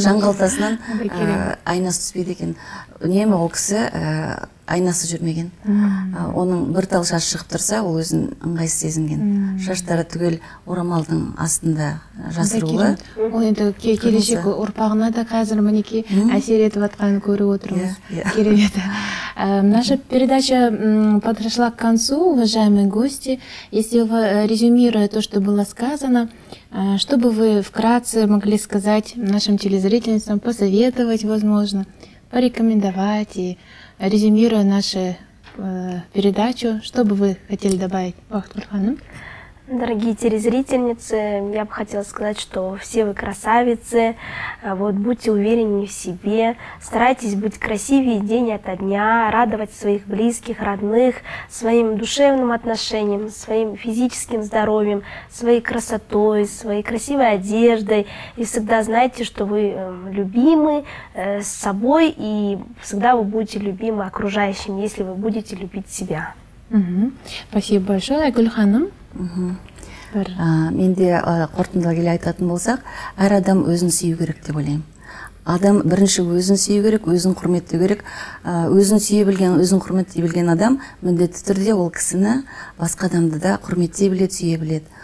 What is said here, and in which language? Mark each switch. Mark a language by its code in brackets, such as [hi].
[kk] Жан қалтасынан айнасы түспейді екен. Үнемі ол кісі айнасы жүрмеген. Оның бір тал шаш шығып тұрса, ол өзін ыңғайсыз сезінген. Шаштары түгел орамалдың астында жасырулы. Ол енді келешек ұрпағына да қазір мінекей әсер етіп жатқанын көріп отырмыз. Керемет. [ru] Наша передача подошла к концу, уважаемые гости. Если вы резюмируете то, что было сказано, что бы вы вкратце могли сказать нашим телезрительницам, посоветовать, возможно, порекомендовать и резюмируя нашу передачу, что бы вы хотели добавить, Бахтурханым? Дорогие телезрительницы, я бы хотела сказать, что все вы красавицы, вот, будьте увереннее в себе, старайтесь быть красивее день ото дня, радовать своих близких, родных, своим душевным отношением, своим физическим здоровьем, своей красотой, своей красивой одеждой. И всегда знайте, что вы любимы с собой, и всегда вы будете любимы окружающим, если вы будете любить себя. Спасибо большое, Гүлханым. [kk] Мен де қортындыла келе айтатын болсақ, әр адам өзін сүйу керек деп ойлаймын. Адам бірінші өзін сүйу керек, өзін құрметтеу керек. Өзін сүйе білген, өзін құрметтей білген адам міндетті түрде ол кісіні басқа адамды да құрметтей біледі, сүйе біледі.